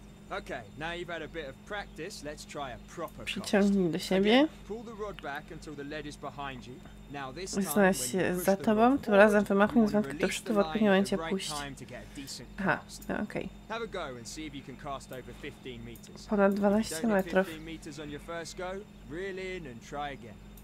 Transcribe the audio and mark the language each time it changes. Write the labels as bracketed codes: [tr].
[en] Okay, now you've had a bit of practice, let's try a proper cast. [pl] Przyciągnij do siebie. [en] Pull the rod back until the lead is behind you. Now this time, when you push the rod forward, [pl] tym razem wymachnij z wędki do przodu w odpowiednim momencie puść. Aha, okej. [en] Have a go and see if you can cast over 15 meters. [pl] Ponad 12 metrów. [en] 15 meters on your first go, reel in and try again.